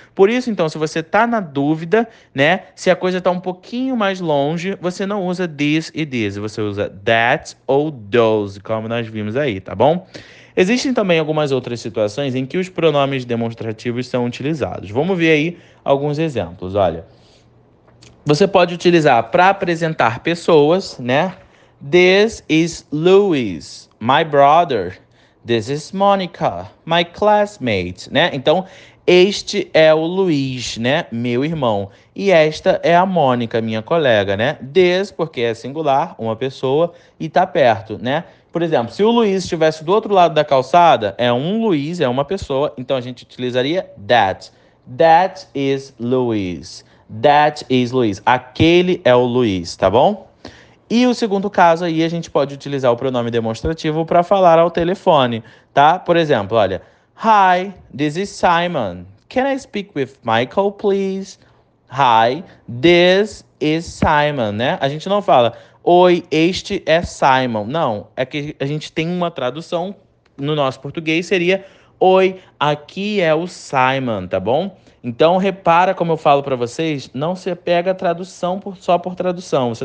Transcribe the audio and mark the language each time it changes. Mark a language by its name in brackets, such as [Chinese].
[Portuguese] Por isso, então, se você está na dúvida, né, se a coisa está um pouquinho mais longe, você não usa this e these, você usa that ou those, como nós vimos aí, tá bom? Existem também algumas outras situações em que os pronomes demonstrativos são utilizados. Vamos ver aí alguns exemplos. Olha, você pode utilizar para apresentar pessoas, né? [English] This is Louis, my brother. This is Monica, my classmate, né? [Portuguese] Então, este é o Luiz, né? Meu irmão. E esta é a Mônica, minha colega, né? This, porque é singular, uma pessoa, e tá perto, né? Por exemplo, se o Luiz estivesse do outro lado da calçada, é um Luiz, é uma pessoa, então a gente utilizaria that. [English] That is Luiz. That is Luiz. [Portuguese] Aquele é o Luiz, tá bom? E o segundo caso aí, a gente pode utilizar o pronome demonstrativo para falar ao telefone, tá? Por exemplo, olha. [English] Hi, this is Simon. Can I speak with Michael, please? Hi, this is Simon, né? [Portuguese] A gente não fala, oi, este é Simon. Não, é que a gente tem uma tradução no nosso português, seria, oi, aqui é o Simon, tá bom? Então, repara como eu falo para vocês, não se apega à tradução só por tradução.